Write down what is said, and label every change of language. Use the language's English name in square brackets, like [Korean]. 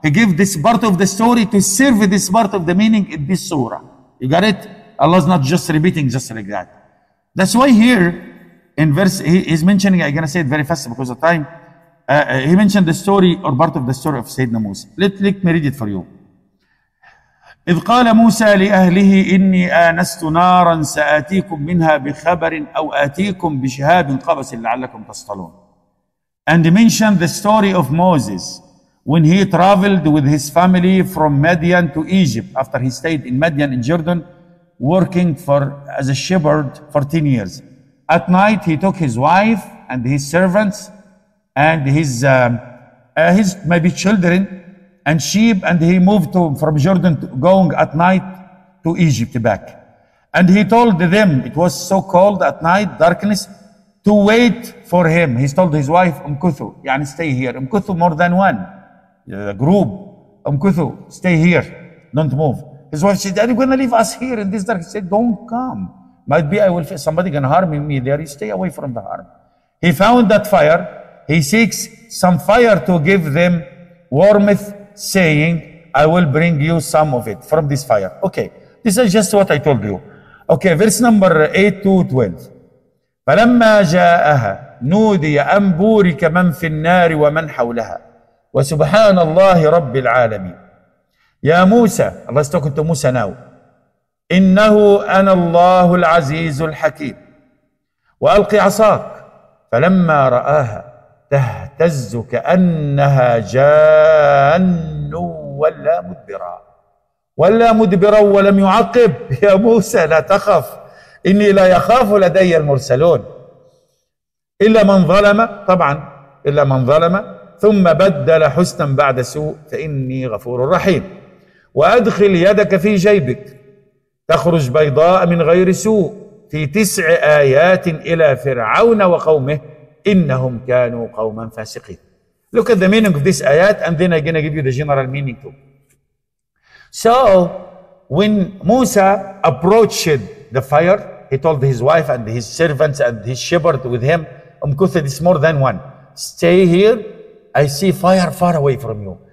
[English] He gave this part of the story to serve this part of the meaning in this surah. You got it? Allah is not just repeating just like that. That's why here, in verse, he's mentioning, I'm going to say it very fast because of time. He mentioned the story or part of the story of Sayyidina Musa. Let me read it for you. [Arabic] إذ قال موسى لأهله إني آنست نارا سآتيكم منها بخبر أو آتيكم بشهاب قبس لعلكم تصطلون. [English] And mention the story of Moses when he traveled with his family from Midian to Egypt after he stayed in Midian in Jordan working for as a shepherd for 10 years. At night he took his wife and his servants and his maybe children and sheep, and he moved from Jordan going at night to Egypt back. And he told them, it was so cold at night, darkness, to wait for him. He told his wife, Umkuthu, يعني stay here. Umkuthu more than one, a group. Umkuthu, stay here, don't move. His wife said, are you going to leave us here in this dark? He said, don't come. Might be I will feel somebody going to harm me there. You stay away from the harm. He found that fire. He seeks some fire to give them warmth, saying, I will bring you some of it from this fire. Okay, this is just what I told you. Okay, verse number 8 to 12. [Arabic] فَلَمَّا جَاءَهَا نُودِيَ أَنْ بُورِكَ مَنْ فِي النَّارِ وَمَنْ حَوْلَهَا وَسُبْحَانَ اللَّهِ رَبِّ الْعَالَمِينَ يَا مُوسَى, [English] Allah is talking to Musa now, [Arabic] إِنَّهُ أَنَا اللَّهُ الْعَزِيزُ الْحَكِيمُ وَأَلْقِ عَصَاكَ فَلَمَّا رَآهَا تهتز كأنها جان ولا مدبرا ولا مدبرا ولم يعقب يا موسى لا تخف إني لا يخاف لدي المرسلون إلا من ظلم طبعا إلا من ظلم ثم بدل حسنا بعد سوء فإني غفور رحيم وأدخل يدك في جيبك تخرج بيضاء من غير سوء في 9 آيات إلى فرعون وقومه إنهم كانوا قوما فاسقين. [English] Look at the meaning of this ayat, and then I'm going to give you the general meaning too. So when Musa approached the fire, he told his wife and his servants and his shepherd with him, Umkuthu, it's more than one. Stay here. I see fire far away from you.